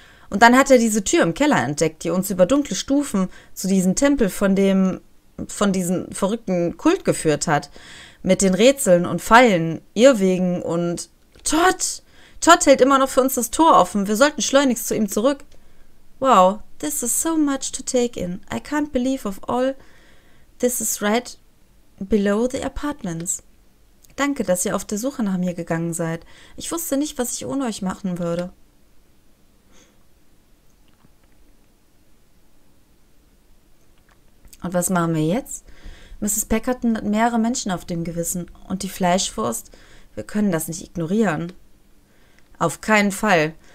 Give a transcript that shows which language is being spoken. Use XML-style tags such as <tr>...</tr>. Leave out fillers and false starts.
<de>Und dann hat er diese Tür im Keller entdeckt, die uns über dunkle Stufen zu diesem Tempel von diesem verrückten Kult geführt hat. Mit den Rätseln und Fallen, Irrwegen und Todd! Todd hält immer noch für uns das Tor offen. Wir sollten schleunigst zu ihm zurück.</de> <en>Wow, this is so much to take in. I can't believe of all this is right below the apartments.</en> <de>Danke, dass ihr auf der Suche nach mir gegangen seid. Ich wusste nicht, was ich ohne euch machen würde. Und was machen wir jetzt? Mrs. Packerton hat mehrere Menschen auf dem Gewissen. Und die Fleischwurst? Wir können das nicht ignorieren. Auf keinen Fall.</de>